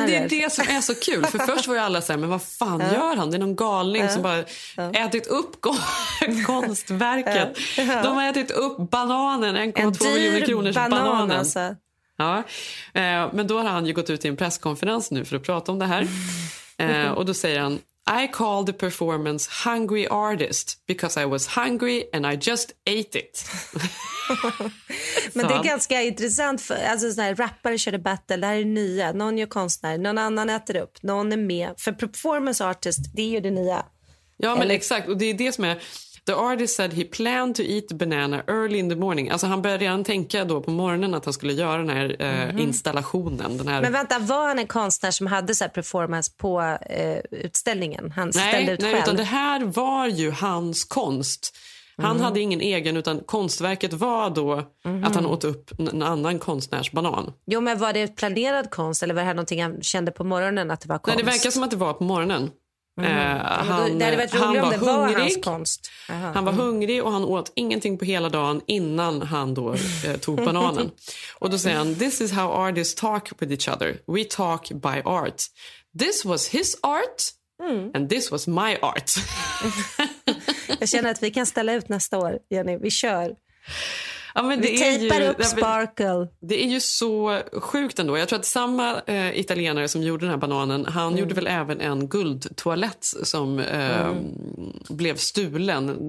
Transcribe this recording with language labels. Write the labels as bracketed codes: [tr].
[sv] Ja, men det är det som är så kul, för först var ju alla så här, men vad fan gör han? Det är någon galning som bara ätit upp konstverket. De har ätit upp bananen, 1,2 miljoner kronor banan, bananen. Alltså. Ja, men då har han ju gått ut i en presskonferens nu för att prata om det här. Och då säger han: [en] I called the performance Hungry Artist because I was hungry and I just ate it. [sv] Men det är ganska intressant, för alltså sån här rappare körde battle, det här är nya, någon gör konstnär, någon annan äter upp, någon är med, för performance artist, det är ju det nya. Ja, men exakt, och det är det som är: [en] the artist said he planned to eat the banana early in the morning. [sv] Alltså han började redan tänka då på morgonen att han skulle göra den här installationen. Den här... Men vänta, var han en konstnär som hade så här performance på utställningen? Han ställde själv? Utan det här var ju hans konst. Han hade ingen egen, utan konstverket var då att han åt upp en annan konstnärs banan. Jo, men var det planerad konst, eller var det här någonting han kände på morgonen att det var konst? Nej, det verkar som att det var på morgonen. Han var hungrig. Var hans konst. Han var hungrig och han åt ingenting på hela dagen innan han då tog bananen. [en] Och då säger han: this is how artists talk with each other. We talk by art. This was his art and this was my art. [sv] Jag känner att vi kan ställa ut nästa år, Jenny. Vi kör. Ja, men det vi tejpar upp Sparkle. Det är ju så sjukt ändå. Jag tror att samma italienare som gjorde den här bananen, han gjorde väl även en guldtoalett som blev stulen.